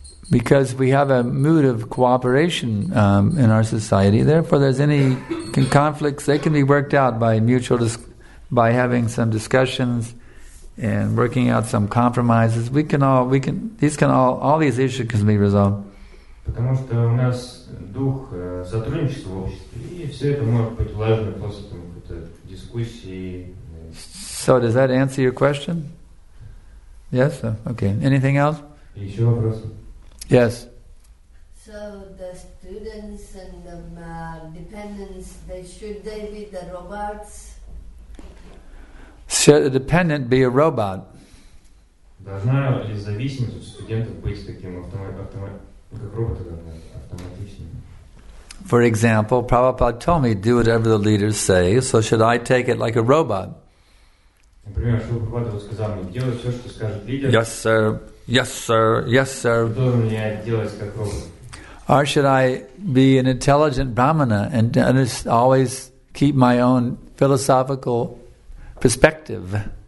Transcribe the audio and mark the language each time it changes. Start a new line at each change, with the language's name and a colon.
English: Because we have a mood of cooperation in our society, therefore there's any conflicts, they can be worked out by by having some discussions and working out some compromises, all these issues can be resolved.
Russian: Потому что у нас дух сотрудничества в обществе, и все это может быть важно после какой-то дискуссии.
English: So does that answer your question? Yes? Okay. Anything else?
Russian: Еще вопросы?
English: Yes. So the students and the dependents, should they be the robots? Should a dependent be a robot?
Russian: Должна ли зависимость у студентов быть таким автоматичным?
English: For example, Prabhupada told me, do whatever the leaders say, so should I take it like a robot?
Russian: Например, Шрила Прабхупада сказал мне, делай все, что скажет лидер.
English: Yes, sir. Yes, sir. Yes, sir.
Russian: Должен я делать как робот?
English: Or should I be an intelligent brahmana and always keep my own philosophical perspective?